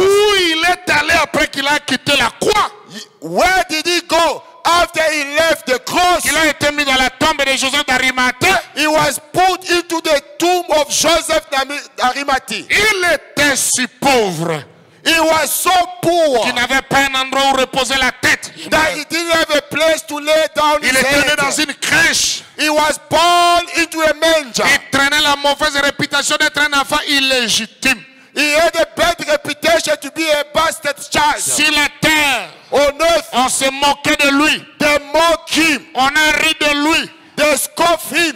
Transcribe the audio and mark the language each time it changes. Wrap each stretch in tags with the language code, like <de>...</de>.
<fr>Où il est allé après qu'il a quitté la croix?</fr> <en>Where did he go? After he left the cross,</en> <fr>il a été mis dans la tombe de Joseph d'Arimathée.</fr> <en>He was put into the tomb of Joseph d'Arimathée.</en> <fr>Il était si pauvre.</fr> <en>He was so poor.</en> <fr>Qu'il n'avait pas un endroit où reposer la tête.</fr> <en>That he didn't have a place to lay down</en> <fr>il</fr> <en>his head.</en> <fr>Il était né dans une crèche.</fr> <en>He was born into a manger.</en> <fr>Il traînait la mauvaise réputation d'être un enfant illégitime.</fr> <en>He had a bad reputation to be a bastard child.</en> <fr>Sur la terre,</fr> <en>on earth,</en> <fr>on se moquait de lui.</fr> <en>They mock him.</en> <fr>On a ri de lui.</fr> <en>They scoff him.</en>